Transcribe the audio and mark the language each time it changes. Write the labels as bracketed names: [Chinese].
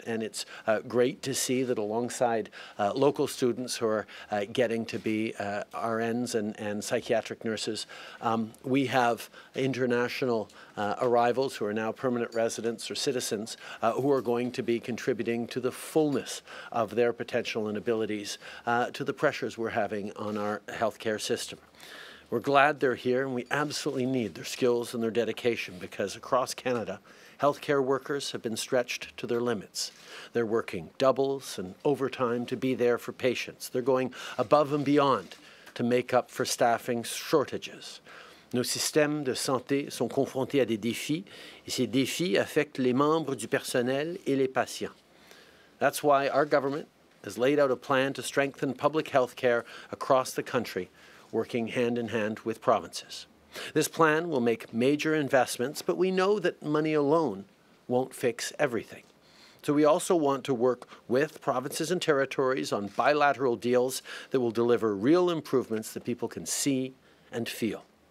[English] And it's great to see that alongside local students who are getting to be RNs and psychiatric nurses, we have international arrivals who are now permanent residents or citizens who are going to be contributing to the fullness of their potential and abilities to the pressures we're having on our healthcare system. We're glad they're here and we absolutely need their skills and their dedication because across Canada, healthcare workers have been stretched to their limits. They're working doubles and overtime to be there for patients. They're going above and beyond to make up for staffing shortages. [French] Nos systèmes de santé sont confrontés à des défis et ces défis affectent les membres du personnel et les patients. [English] That's why our government has laid out a plan to strengthen public health care across the country, working hand in hand with provinces. This plan will make major investments, but we know that money alone won't fix everything. So we also want to work with provinces and territories on bilateral deals that will deliver real improvements that people can see and feel.